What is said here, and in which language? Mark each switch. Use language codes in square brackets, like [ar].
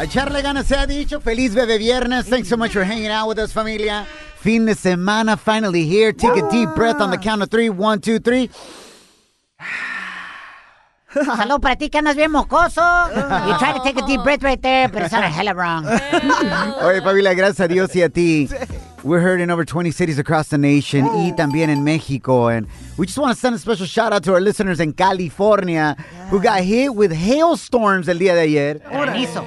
[es] A echarle ganas se ha dicho. Feliz bebé viernes. [en] Thanks so much for hanging out with us, familia. [es] Fin de semana [en] finally here. Take a deep breath on the count of three. One, two, three. [es] Salud para ti que andas bien mocoso. [en] You try to take a deep breath right there, but it's not a hella wrong. [es] Oye, familia, gracias a Dios y a ti. [en] We're heard in over 20 cities across the nation, [es] y también en México. [en] And we just want to send a special shout out to our listeners in California, who got hit with hailstorms [es] el día de ayer.